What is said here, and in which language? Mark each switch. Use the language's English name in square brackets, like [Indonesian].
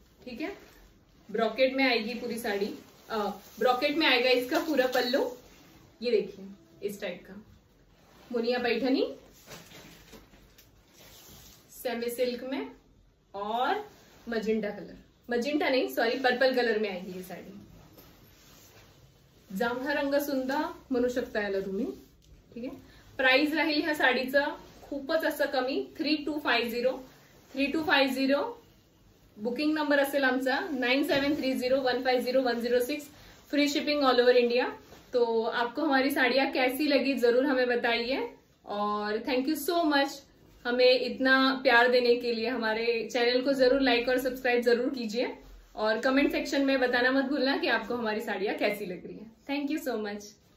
[Hindi] ठीक है, ब्रॉकेट में आएगी पूरी साड़ी, ब्रॉकेट में आएगा इसका पूरा पल्लू। ये देखिए इस टाइप का मुनिया पैठनी सेमी सिल्क में और मजिंटा कलर, मजिंटा नहीं सॉरी पर्पल कलर में आएगी ये साड़ी। [Marathi] जांभळा रंग सुंदा म्हणू शकता याला तुम्ही। ठीक है, प्राइस राहील ह्या साडीचा खूपच असं कमी, 3250 3250। बुकिंग नंबर असेल आमचा 9730150106, [English] Free shipping all over India. [Hindi] तो आपको हमारी साड़ियां कैसी लगी जरूर हमें बताइए, और थैंक यू सो मच हमें इतना प्यार देने के लिए। हमारे चैनल को जरूर लाइक और सब्सक्राइब जरूर कीजिए, और कमेंट सेक्शन में बताना मत भूलना कि आपको हमारी साड़ियां कैसी लग रही है। Thank you so much.